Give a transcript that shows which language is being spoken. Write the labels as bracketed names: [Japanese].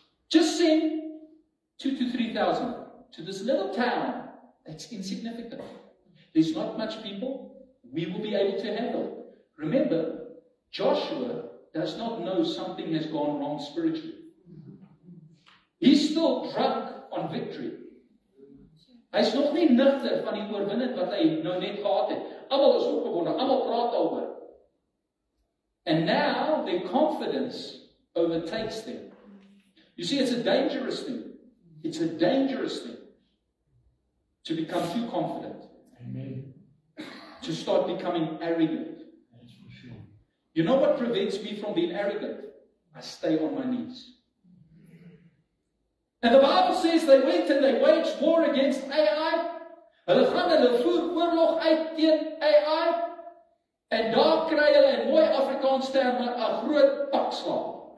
[English] Just send 2,000 to 3,000 to this little town, that's insignificant. There's not much people, we will be able to handle. Remember, Joshua does not know something has gone wrong spiritually. He's still drunk on victory. [Afrikaans] Hy's nog nie nigter van die oorwinning wat hy nou net gehad het. Almal is opgewonde, almal praat daaroor. [English] And now their confidence overtakes them. You see, it's a dangerous thing. It's a dangerous thing to become too confident. Amen. To start becoming arrogant. That's for sure. You know what prevents me from being arrogant? I stay on my knees. And the Bible says they went and they waged war against AI. [Afrikaans] Hulle gaan hulle voer oorlog uit teen AI. En daar kry hulle 'n mooi Afrikaans term, 'n groot pakslag.